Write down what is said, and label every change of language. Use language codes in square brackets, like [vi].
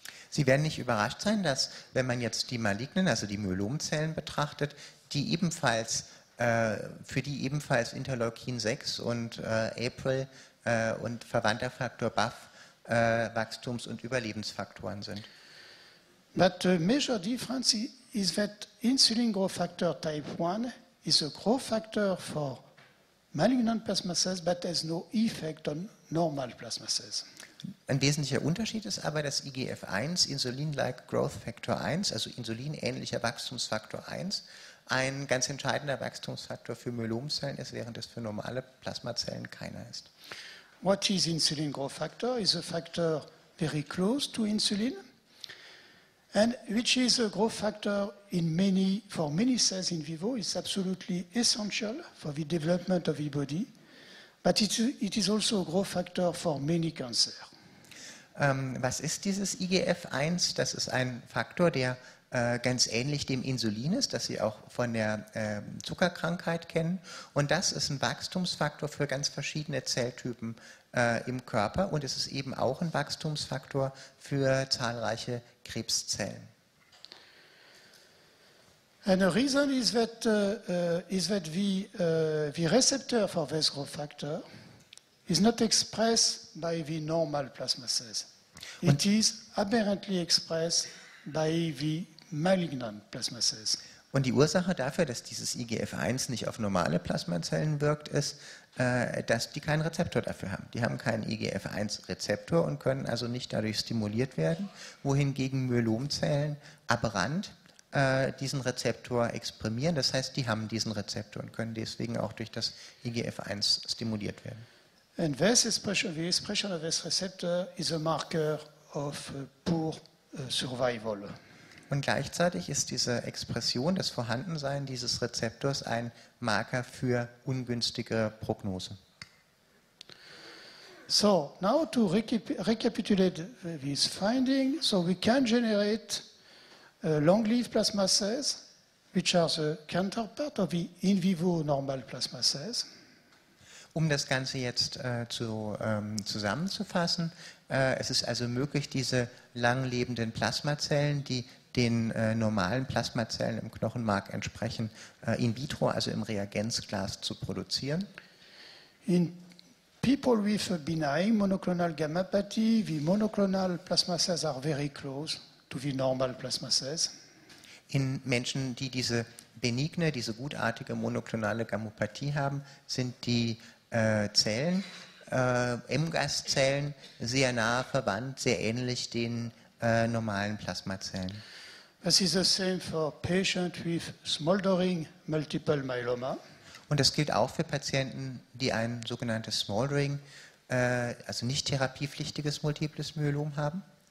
[de] Sie werden nicht überrascht sein, dass, wenn man jetzt die malignen, also die Myelomzellen betrachtet, die ebenfalls für die ebenfalls Interleukin 6 und APRIL und verwandter Faktor BAF Wachstums- und Überlebensfaktoren sind. [en] But the major difference is that insulin growth factor type 1 is a growth factor for malignant plasma cells, but has no effect on normal plasma cells. [de] Ein wesentlicher Unterschied ist aber, dass IGF-1, Insulin-like Growth Factor 1, also insulinähnlicher Wachstumsfaktor 1, ein ganz entscheidender Wachstumsfaktor für Myelomzellen ist, während es für normale Plasmazellen keiner ist. [en] What is insulin growth factor? Is a factor very close to insulin, and which is a growth factor for many cells in vivo. It's absolutely essential for the development of the body, but it is also a growth factor for many cancers. [de] Was ist dieses IGF-1? Das ist ein Faktor, der ganz ähnlich dem Insulin ist, das Sie auch von der Zuckerkrankheit kennen. Und das ist ein Wachstumsfaktor für ganz verschiedene Zelltypen im Körper. Und es ist eben auch ein Wachstumsfaktor für zahlreiche Krebszellen. [en] And the reason is that the receptor for this growth factor is not expressed by the normal plasma cells. It is aberrantly expressed by the malignant plasma cells. [de] Und die Ursache dafür, dass dieses IGF-1 nicht auf normale Plasmazellen wirkt, ist, dass die keinen Rezeptor dafür haben. Die haben keinen IGF-1-Rezeptor und können also nicht dadurch stimuliert werden, wohingegen Myelomzellen aberrant diesen Rezeptor exprimieren. Das heißt, die haben diesen Rezeptor und können deswegen auch durch das IGF-1 stimuliert werden. [en] And this expression, the expression of this receptor is a marker of poor survival. [de] Und gleichzeitig ist diese Expression, das Vorhandensein dieses Rezeptors ein Marker für ungünstige Prognose. [en] So, now to recapitulate this finding, so we can generate long-leaf plasma cells, which are the counterpart of the in vivo normal plasma cells. [de] Um das Ganze jetzt zusammenzufassen, es ist also möglich, diese langlebenden Plasmazellen, die den normalen Plasmazellen im Knochenmark entsprechen, in vitro, also im Reagenzglas, zu produzieren. [en] In people with a benign monoclonal gammopathy, the monoclonal plasma cells are very close to the normal plasma cells. [de] In Menschen, die diese benigne, diese gutartige monoklonale Gammopathie haben, sind die Zellen, MGAS-Zellen, sehr nah verwandt, sehr ähnlich den normalen Plasmazellen. [en] This is the same for patients with smoldering multiple myeloma. [de] Und das gilt auch für Patienten, die ein sogenanntes smoldering, also nicht therapiepflichtiges multiples Myelom haben.